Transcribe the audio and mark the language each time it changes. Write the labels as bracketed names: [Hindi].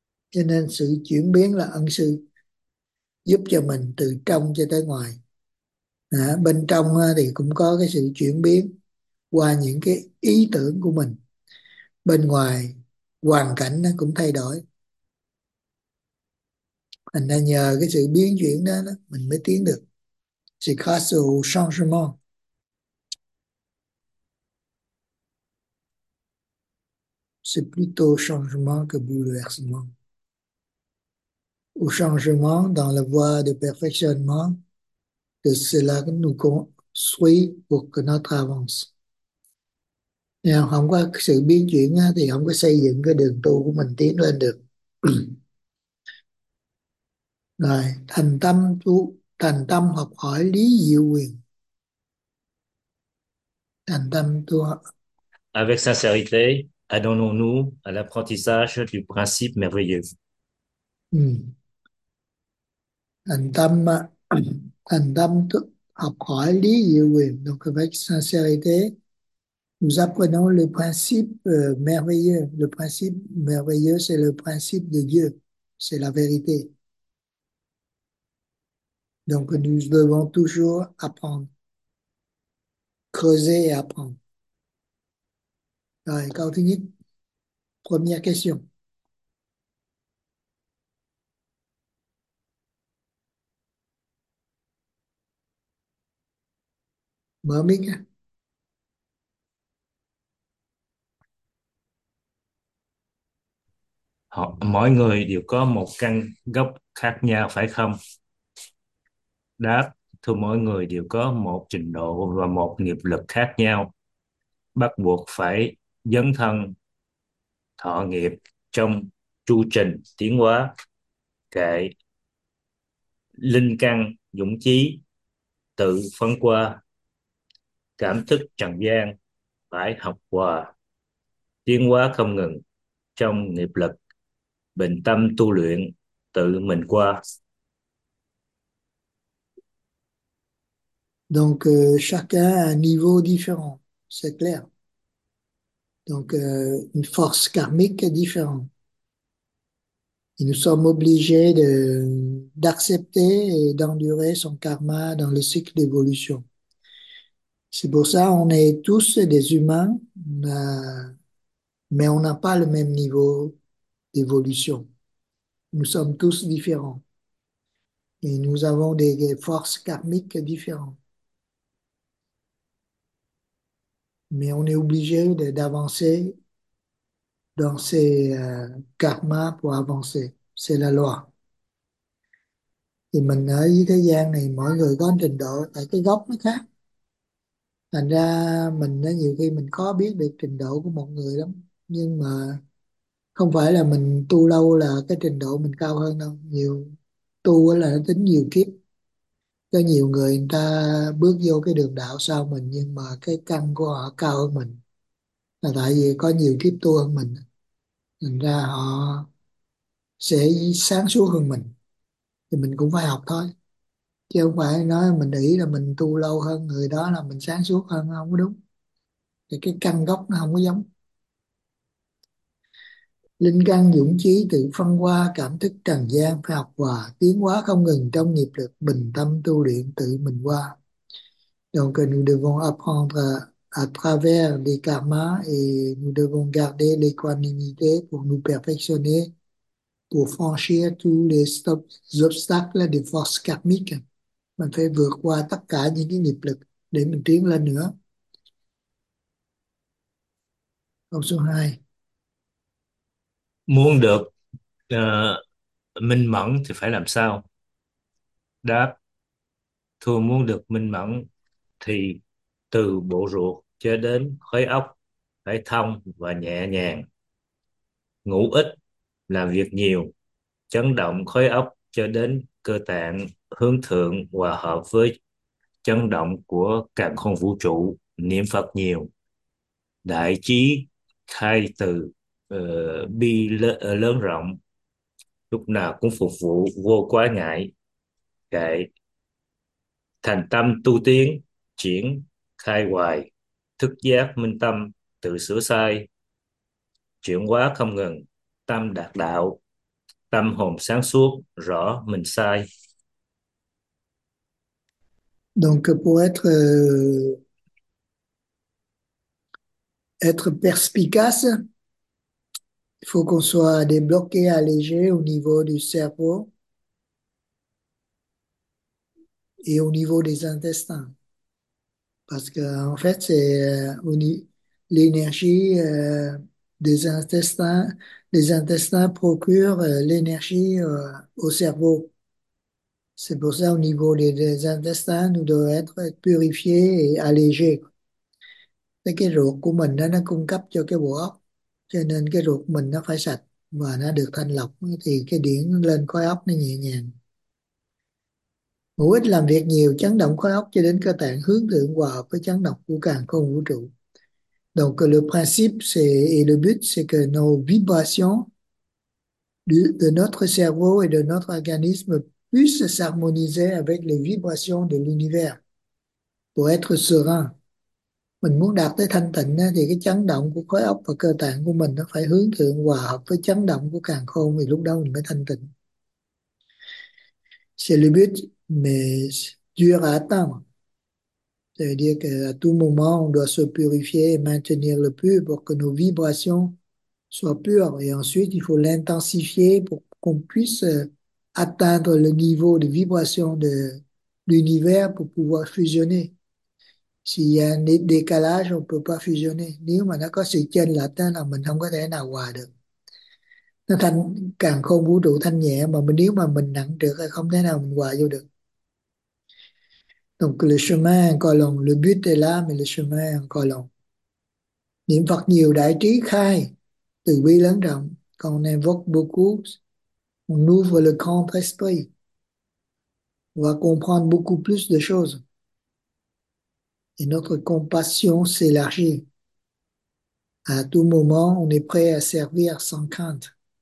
[Vietnamese] Cho nên sự chuyển biến là ân sư giúp cho mình từ trong cho tới ngoài. À, bên trong thì cũng có cái sự chuyển biến qua những cái ý tưởng của mình. Bên ngoài hoàn cảnh nó cũng thay đổi. Thành ra nhờ cái sự biến chuyển đó, mình mới tiến được. [French] C'est grâce au changement. C'est plutôt changement que bouleversement. Au changement dans la voie de perfectionnement, que cela nous construit pour que notre avance. [Vietnamese] Nếu không có sự biến chuyển thì không có xây dựng cái đường tu của mình tiến lên được. Rồi, thành tâm tu, thành tâm học hỏi lý diệu quyền. Thành tâm tu học. [French] Avec sincérité, adonnons-nous à l'apprentissage du principe merveilleux. [Vietnamese] Thành tâm tu học hỏi lý diệu quyền. [French] Donc avec sincérité, nous apprenons le principe merveilleux. Le principe merveilleux, c'est le principe de Dieu. C'est la vérité. Donc, nous devons toujours apprendre, creuser et apprendre. [Vietnamese] Rồi, câu thứ nhất, [French] première question. [Vietnamese] Mở mic nha. Mỗi người đều có một căn gốc khác nhau phải không? Đáp, thưa mọi người đều có một trình độ và một nghiệp lực khác nhau, bắt buộc phải dấn thân thọ nghiệp trong chu trình tiến hóa, kệ linh căn dũng chí tự phấn qua cảm thức trần gian phải học hòa tiến hóa không ngừng trong nghiệp lực bình tâm tu luyện tự mình qua. [French] Donc, chacun a un niveau différent, c'est clair. Donc, une force karmique est différente. Et nous sommes obligés d'accepter et d'endurer son karma dans le cycle d'évolution. C'est pour ça qu'on est tous des humains, mais on n'a pas le même niveau d'évolution. Nous sommes tous différents. Et nous avons des forces karmiques différentes. Mais on est obligé d'avancer dans ces karmas pour avancer. C'est la loi. [Vietnamese] Thì mình ở dưới thế gian này, mỗi người có trình độ tại cái gốc nó khác. Thành ra mình nhiều khi mình khó biết được trình độ của một người lắm. Nhưng mà không phải là mình tu lâu là cái trình độ mình cao hơn đâu. Nhiều tu là nó tính nhiều kiếp. Có nhiều người người ta bước vô cái đường đạo sau mình nhưng mà cái căn của họ cao hơn mình là tại vì có nhiều kiếp tu hơn mình, thành ra họ sẽ sáng suốt hơn mình, thì mình cũng phải học thôi, chứ không phải nói mình nghĩ là mình tu lâu hơn người đó là mình sáng suốt hơn, không có đúng, thì cái căn gốc nó không có giống. Linh căn dũng chí tự phân hóa cảm thức trần gian phải học hòa tiến hóa không ngừng trong nghiệp lực bình tâm tu luyện tự mình qua. [French] Donc nous devons apprendre à travers les karmas et nous devons garder l'équanimité pour nous perfectionner, pour franchir tous les obstacles des forces karmiques. [Vietnamese] Mình phải vượt qua tất cả những cái nghiệp lực để mình tiến lên nữa. Câu số 2. Muốn được minh mẫn thì phải làm sao? Đáp: thưa, muốn được minh mẫn thì từ bộ ruột cho đến khối óc phải thông và nhẹ nhàng, ngủ ít, làm việc nhiều, chấn động khối óc cho đến cơ tạng hướng thượng hòa hợp với chấn động của càn khôn vũ trụ, niệm Phật nhiều, đại trí khai từ bi lớn rộng, lúc nào cũng phục vụ vô quá ngại, kệ thành tâm tu tiến, chuyển khai hoài, thức giác minh tâm, tự sửa sai, chuyển hóa không ngừng, tâm đạt đạo, tâm hồn sáng suốt, rõ mình sai. [French] Donc, pour être perspicace, il faut qu'on soit débloqué, allégé au niveau du cerveau et au niveau des intestins. Parce que, en fait, c'est l'énergie des intestins. Les intestins procurent l'énergie au cerveau. C'est pour ça, au niveau des intestins, nous devons être purifiés et allégés. [Vietnamese] Et cái ruột của mình nó cung cấp cho cái bộ óc, cho nên cái ruột mình nó phải sạch và nó được thanh lọc thì cái điện lên khối óc nó nhẹ nhàng. Ngủ ít, làm việc nhiều, chấn động khối óc cho đến cơ tạng hướng thượng hòa hợp với chấn động của càn khôn vũ trụ. [French] Donc le principe et le but c'est que nos vibrations de notre cerveau et de notre organisme puisse s'harmoniser avec les vibrations de l'univers pour être serein. [Vietnamese] Mình muốn đạt tới thanh tịnh thì cái chấn động của khối óc và cơ tạng của mình nó phải hướng thượng hòa hợp với chấn động của càn khôn thì lúc đó mình mới thanh tịnh. [French] C'est le but, mais dur à atteindre. C'est-à-dire qu'à tout moment, on doit se purifier et maintenir le pur pour que nos vibrations soient pures. Et ensuite, il faut l'intensifier pour qu'on puisse atteindre le niveau de vibration de l'univers pour pouvoir fusionner. S'il y a un décalage, on ne peut pas fusionner. [Vietnamese] Nếu mà nó có sự chênh lệch là mình không có thể nào hòa được. Nó thanh, càng không vũ trụ thanh nhẹ, mà nếu mà mình nặng trược thì không thể nào mình hòa vô được. [French] Donc le chemin est encore long. Le but est là, mais le chemin est encore long. [Vietnamese] Niệm Phật nhiều, đại trí khai, từ bi lớn rộng, còn nên vote beaucoup. [French] On ouvre le grand esprit. On va comprendre beaucoup plus de choses. Et notre compassion s'élargit. À tout moment, on est prêt à servir sans crainte.